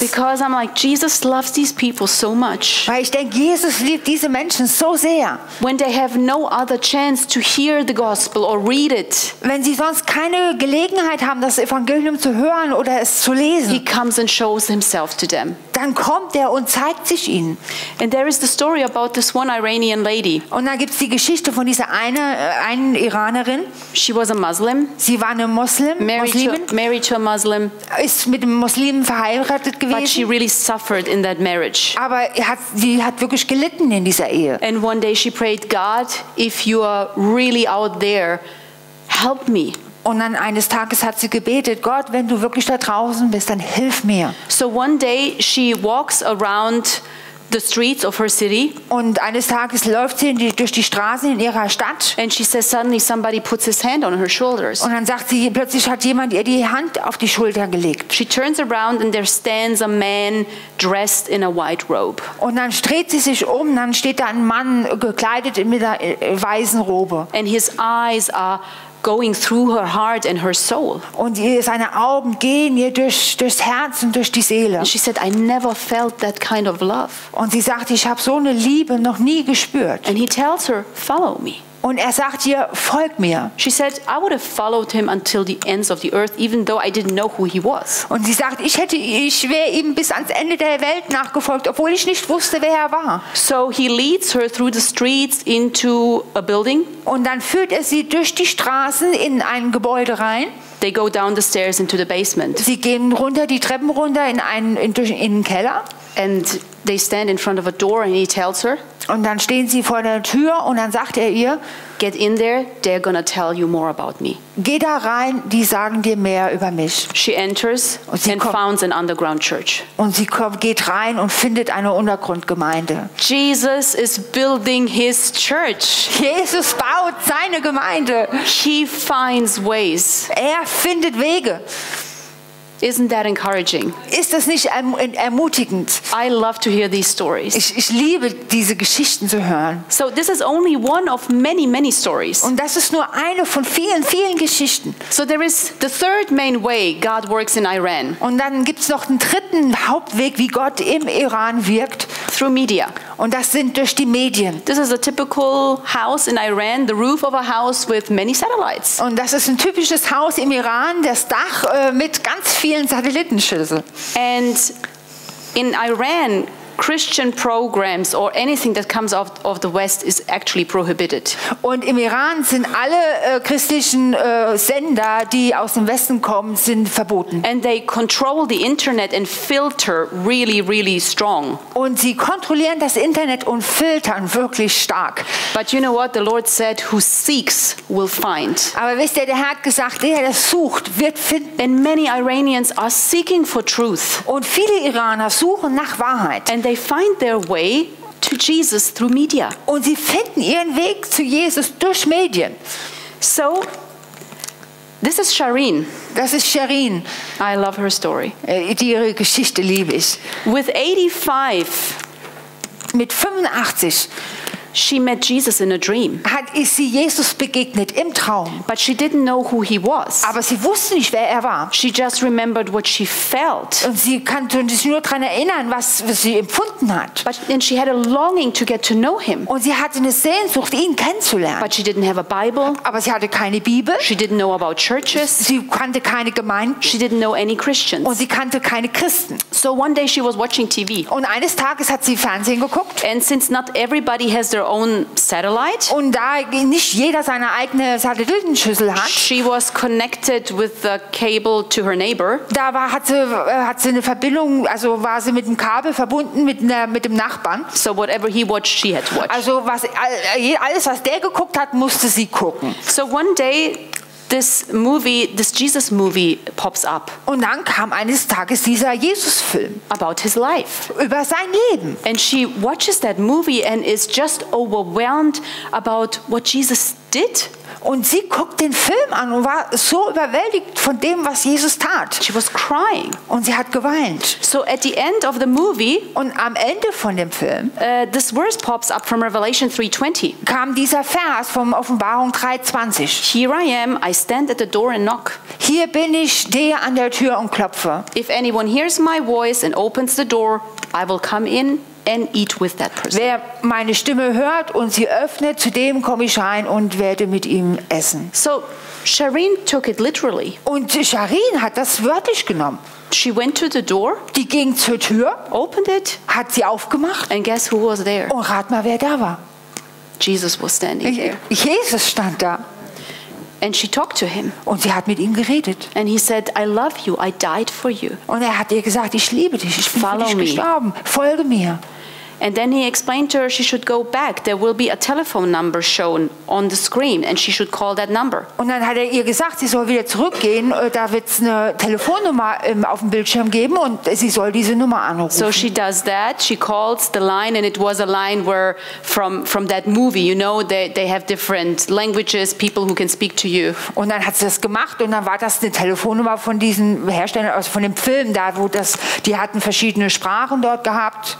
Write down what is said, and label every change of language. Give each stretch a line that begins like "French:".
English: Because I'm like, Jesus loves these people so much.
German: Weil ich denke, Jesus liebt diese Menschen so sehr.
English: When they have no other chance to hear the gospel or read it.
German: Wenn sie sonst keine Gelegenheit haben, das Evangelium zu hören oder es zu lesen.
English: He comes and shows himself to them.
German: Dann kommt er und zeigt sich ihnen.
English: And there is the story about this one Iranian lady.
German: Und da gibt's die Geschichte von dieser einen Iranerin.
English: She was a Muslim.
German: Sie war eine Muslim.
English: Married to a Muslim.
German: Ist mit einem Muslim verheiratet gewesen.
English: But she really suffered in that marriage.
German: Aber sie hat wirklich gelitten in dieser Ehe.
English: And one day she prayed, God, if you are really out there, help me.
German: Und dann eines Tages hat sie gebetet, Gott, wenn du wirklich da draußen bist, dann hilf mir.
English: So one day she walks around the streets of her city.
German: Und eines Tages läuft sie durch die Straßen in ihrer Stadt.
English: And she says suddenly somebody puts his hand on her shoulders.
German: Und dann sagt sie, plötzlich hat jemand ihr die Hand auf die Schulter gelegt.
English: She turns around and there stands a man dressed in a white robe.
German: Und dann dreht sie sich um, dann steht da ein Mann gekleidet mit einer weißen Robe.
English: And his eyes are going through her heart and her soul.
German: Und seine Augen gehen ihr durchs Herz und durch die Seele.
English: And she said, I never felt that kind of love.
German: Und sie sagt, ich habe so eine Liebe noch nie gespürt.
English: And he tells her, follow me.
German: Und er sagt ihr, folg mir.
English: She said, I would have followed him until the ends of the earth, even though I didn't know who he was.
German: Und sie sagt, ich wäre ihm bis ans Ende der Welt nachgefolgt, obwohl ich nicht wusste, wer er war.
English: So he leads her through the streets into a building.
German: Und dann führt er sie durch die Straßen in ein Gebäude rein.
English: They go down the stairs into the basement.
German: Sie gehen runter, die Treppen runter in den Keller.
English: And they stand in front of a door and he tells her,
German: und dann stehen sie vor der Tür und dann sagt er ihr,
English: get in there, they're gonna tell you more about me.
German: Geh da rein, die sagen dir mehr über mich.
English: She enters and founds an underground church.
German: Und sie geht rein und findet eine Untergrundgemeinde.
English: Jesus is building his church.
German: Jesus baut seine Gemeinde.
English: He finds ways.
German: Er findet Wege.
English: Isn't that encouraging?
German: Ist das nicht ermutigend?
English: I love to hear these stories.
German: Ich liebe diese Geschichten zu hören.
English: So this is only one of many, many stories.
German: Und das ist nur eine von vielen, vielen Geschichten.
English: So there is the third main way God works in Iran.
German: Und dann gibt's noch den dritten Hauptweg, wie Gott im Iran wirkt.
English: Through media.
German: Und das sind durch die Medien.
English: This is a typical house in Iran, the roof of a house with many satellites.
German: Und das ist ein typisches Haus im Iran, das Dach mit ganz vielen Satellitenschüsseln.
English: And in Iran, Christian programs or anything that comes out of the West is actually prohibited.
German: Und im Iran sind alle christlichen Sender, die aus dem Westen kommen, sind verboten.
English: And they control the internet and filter really, really strong.
German: Und sie kontrollieren das Internet und filtern wirklich stark.
English: But you know what? The Lord said, who seeks will find.
German: Aber wisst ihr, der Herr hat gesagt, der, der sucht, wird finden.
English: And many Iranians are seeking for truth.
German: Und viele Iraner suchen nach Wahrheit.
English: And they find their way to Jesus through media.
German: Und sie finden ihren Weg zu Jesus durch Medien.
English: So, this is Shireen.
German: Das ist Shireen.
English: I love her story.
German: Ihre Geschichte liebe ich.
English: With 85,
German: mit 85,
English: she met Jesus in a dream.
German: Hat sie Jesus begegnet im Traum.
English: But she didn't know who he was.
German: Aber sie wusste nicht, wer er war.
English: She just remembered what she felt.
German: Und sie konnte sich nur daran erinnern, was sie empfunden hat.
English: But then she had a longing to get to know him.
German: Und sie hatte eine Sehnsucht, ihn kennenzulernen.
English: But she didn't have a Bible.
German: Aber sie hatte keine Bibel.
English: She didn't know about churches.
German: Sie kannte keine Gemeinden.
English: She didn't know any Christians.
German: Und sie kannte keine Christen.
English: So one day she was watching TV.
German: Und eines Tages hat sie Fernsehen geguckt.
English: And since not everybody has their own satellite.
German: Und da nicht jeder seine eigene Satellitenschüssel hat.
English: She was connected with the cable to her neighbor.
German: Da hatte sie eine Verbindung, also war sie mit dem Kabel verbunden mit dem Nachbarn.
English: So whatever he watched, she had to watch.
German: Also alles was der geguckt hat, musste sie gucken.
English: So one day this Jesus movie pops up.
German: Und dann kam eines Tages dieser Jesus-Film.
English: About his life.
German: Über sein Leben.
English: And she watches that movie and is just overwhelmed about what Jesus did.
German: Und sie guckt den Film an und war so überwältigt von dem, was Jesus tat.
English: She was crying.
German: Und sie hat geweint.
English: So at the end of the movie,
German: und am Ende von dem Film,
English: this verse pops up from Revelation 3:20.
German: Kam dieser Vers vom Offenbarung 3:20.
English: Here I am, I stand at the door and knock.
German: Hier bin ich, stehe an der Tür und klopfe.
English: If anyone hears my voice and opens the door, I will come in and eat with that person.
German: Wer meine Stimme hört und sie öffnet, zu dem komme ich rein und werde mit ihm essen.
English: So, Shireen took it literally.
German: Und Shireen hat das wörtlich genommen.
English: She went to the door.
German: Die ging zur Tür.
English: Opened it.
German: Hat sie aufgemacht.
English: And guess who was there?
German: Und rat mal, wer da war.
English: Jesus was standing there.
German: Jesus stand da.
English: And she talked to him.
German: Und sie hat mit ihm geredet.
English: And he said, I love you. I died for you.
German: Und er hat ihr gesagt, ich liebe dich. Ich bin
English: Follow
German: für dich gestorben.
English: Me.
German: Folge mir.
English: And then he explained to her she should go back. There will be a telephone number shown on the screen and she should call that number.
German: Und dann hat er ihr gesagt, sie soll wieder zurückgehen, da wird's eine Telefonnummer auf dem Bildschirm geben und sie soll diese Nummer anrufen.
English: So she does that. She calls the line and it was a line where from that movie, you know, they have different languages, people who can speak to you.
German: Und dann hat sie das gemacht und dann war das eine Telefonnummer von diesen Herstellern aus von dem Film, da wo das die hatten verschiedene Sprachen dort gehabt.